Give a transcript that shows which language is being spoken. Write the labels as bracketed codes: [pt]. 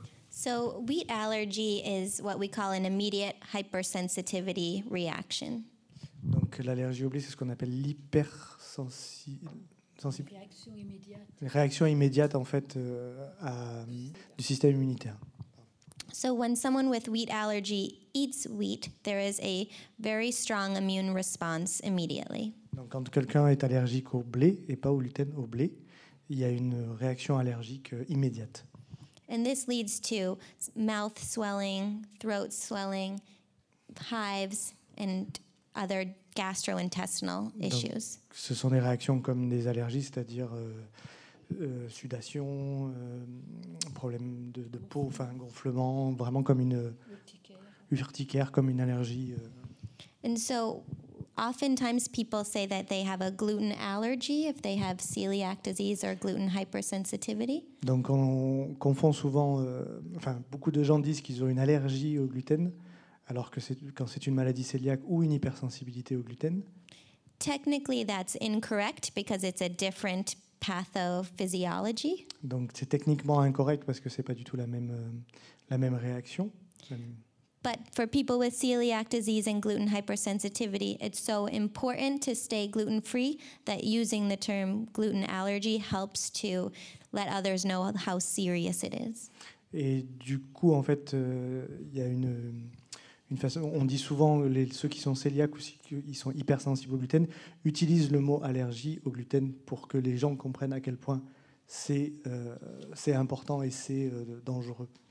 [en] So wheat allergy is what we call an immediate hypersensitivity reaction. [fr] Donc l'allergie au blé, c'est ce qu'on appelle l'hypersensibilité. Réaction immédiate en fait du système immunitaire. [en] So when someone with wheat allergy eats wheat, there is a very strong immune response immediately. [fr] Donc quand quelqu'un est allergique au blé et pas au gluten, au blé, il y a une réaction allergique immédiate. [en] And this leads to mouth swelling, throat swelling, hives, and other gastrointestinal issues. [fr] Donc, ce sont des réactions comme des allergies, c'est-à-dire sudation, problèmes de peau, enfin gonflement, vraiment comme une urticaire, comme une allergie. [en] And so, oftentimes people say that they have a gluten allergy if they have celiac disease or gluten hypersensitivity. [fr] Donc on confond souvent, beaucoup de gens disent qu'ils ont une allergie au gluten, alors que quand c'est une maladie cœliaque ou une hypersensibilité au gluten. [en] Technically, that's incorrect because it's a different pathophysiology. [fr] Donc c'est techniquement incorrect parce que c'est pas du tout la même réaction. [en] But for people with celiac disease and gluten hypersensitivity, it's so important to stay gluten-free that using the term gluten allergy helps to let others know how serious it is. [fr] Et du coup, en fait, il y a une façon. On dit souvent ceux qui sont cœliaques ou ils sont hypersensibles au gluten utilisent le mot allergie au gluten pour que les gens comprennent à quel point c'est important et c'est dangereux.